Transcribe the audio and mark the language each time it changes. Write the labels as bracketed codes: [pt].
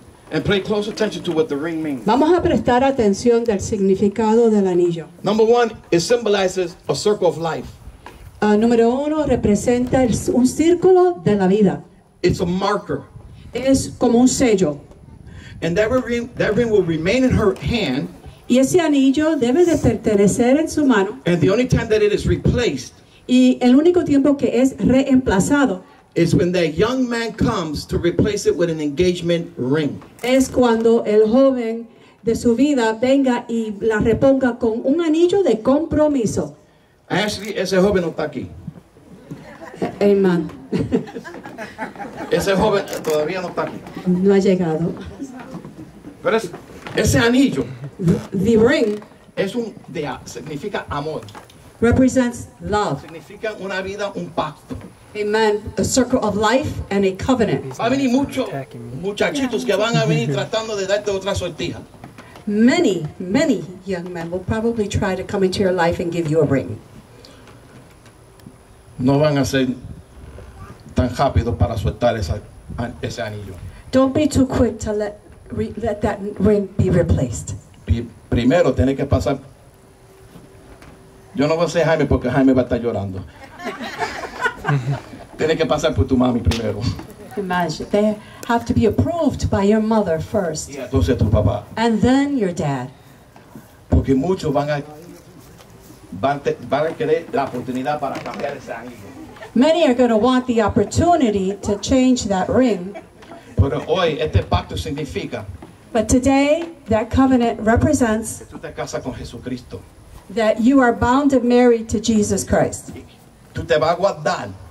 [en] And pay close attention to what the ring means. [es] Vamos a prestar atención del significado del anillo. [en] Number one, it symbolizes a circle of life. [es] Número uno, representa un círculo de la vida. [en] It's a marker. [es] Es como un sello. [en] And that ring will remain in her hand. [es] Y ese anillo debe de pertenecer en su mano. [en] And the only time that it is replaced. [es] Y el único tiempo que es reemplazado. [en] Is when that young man comes to replace it with an engagement ring. [es] Es cuando el joven de su vida venga y la reponga con un anillo de compromiso. Ashley, ese joven no está aquí. Amen. Ese joven todavía no está aquí. No ha llegado. Pero ese anillo, [en] the ring, [es] es un dea, significa amor. [en] Represents love. [es] Significa una vida, un pacto. [en] Amen. A circle of life and a covenant. [es] Va a venir muchos muchachitos que van a venir tratando de darte otra sortija. [en] Many, many young men will probably try to come into your life and give you a ring. [es] No van a ser tan rápido para soltar ese anillo. [en] Don't be too quick to let that ring be replaced. [es] Primero tiene que pasar. Yo no voy a ser Jaime porque Jaime va a estar llorando. Tiene que pasar por tu mami primero. [en] Imagine, they have to be approved by your mother first. [es] Y entonces tu papá. [en] And then your dad. [es] Porque muchos van a querer la oportunidad para cambiar ese anillo. [en] Many are going to want the opportunity to change that ring. [es] Pero hoy este pacto significa. [en] But today that covenant represents. [es] Que tú te casas con Jesucristo. [en] That you are bound and married to Jesus Christ. [es] Tú te vas a guardar.